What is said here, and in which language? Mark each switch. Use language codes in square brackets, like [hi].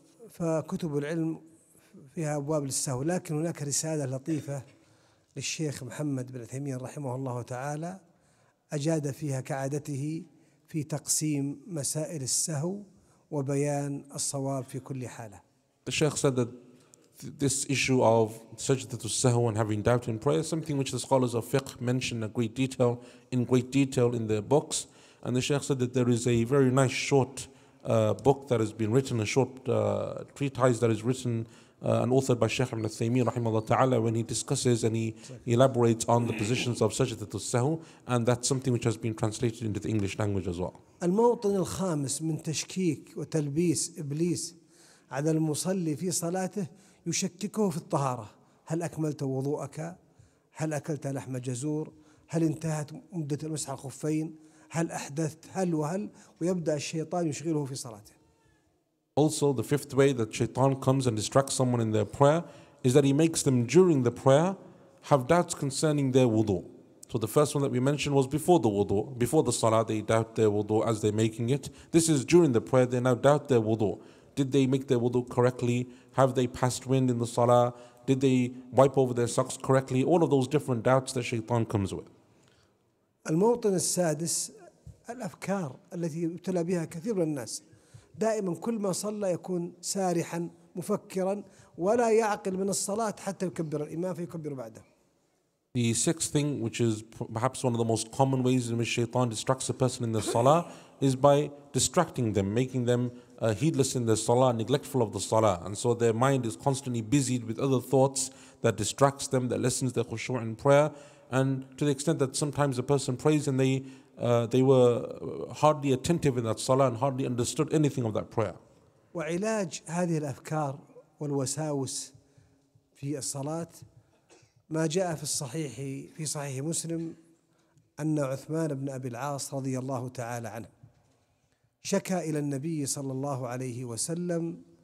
[ar] فكتب العلم فيها أبواب للسهو لكن هناك رسالة لطيفة للشيخ محمد بن عثيمين رحمه الله تعالى أجاد فيها كعادته في تقسيم مسائل السهو وبيان الصواب في كل حالة. [en] The Shaykh said that this issue of sajdat al-sahw and having doubt in prayer is something which the scholars of fiqh mention in great detail in their books. And the Shaykh said that there is a very nice short book that has been written, a short treatise that is written and authored by Shaykh Ibn Thaymin [ar] rahimahullah ta'ala, [en] when he discusses and he elaborates on the positions of sajdat al-sahw, and that's something which has been translated into the English language as well. [ar] الموطن الخامس من تشكيك وتلبيس إبليس على المصلي في صلاته يشككه في الطهارة، هل أكملت وضوءك؟ هل أكلت لحم جزور؟ هل انتهت مدة المسح الخفين؟ هل أحدثت؟ هل وهل؟ ويبدأ الشيطان يشغله في صلاته. [en] Also, the fifth way that Shaitan comes and distracts someone in their prayer is that he makes them during the prayer have doubts concerning their wudu. So the first one that we mentioned was before the wudu. Before the salah, they doubt their wudu as they're making it. This is during the prayer, they now doubt their wudu. Did they make their wudu correctly? Have they passed wind in the salah? Did they wipe over their socks correctly? All of those different doubts that Shaitan comes with. [ar] الموطن السادس الأفكار التي يبتلى بها كثير من الناس. دائما كل ما صلى يكون سارحا مفكرا ولا يعقل من الصلاة حتى يكبر الإمام فيكبر بعده. [en] The sixth thing, which is perhaps one of the most common ways in which Shaitan distracts a person in the salah, is by distracting them, making them heedless in the salah, neglectful of the salah, and so their mind is constantly busied with other thoughts that distracts them, that lessens their khushu' in prayer, and to the extent that sometimes a person prays and they were hardly attentive in that salah and hardly understood anything of that prayer. [ar] وعلاج هذه الأفكار والوساوس في الصلاة ما جاء في صحيح مسلم أن عثمان بن أبي العاص رضي الله تعالى عنه شكى إلى النبي صلى الله عليه وسلم